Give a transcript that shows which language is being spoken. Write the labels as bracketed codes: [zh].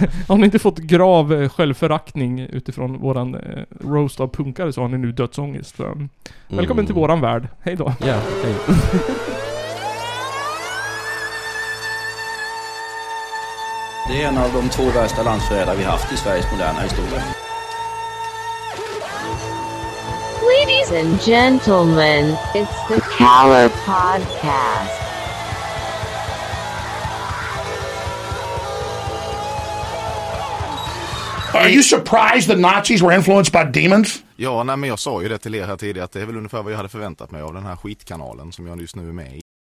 [sv] Har ni inte fått grav självföraktning utifrån våran roast av punkare, så har ni nu dödsångest. Välkommen till våran värld. Hej då. Ja, hej. Det är en av de två värsta landsförrädare vi haft i Sveriges moderna historia. [en] Ladies and gentlemen, it's the Kallar Podcast. Are you surprised that Nazis were influenced by demons? [sv] Ja, nej, men jag sa ju det till er här tidigare, att det är väl ungefär vad jag hade förväntat mig av den här skitkanalen som jag just nu är med i.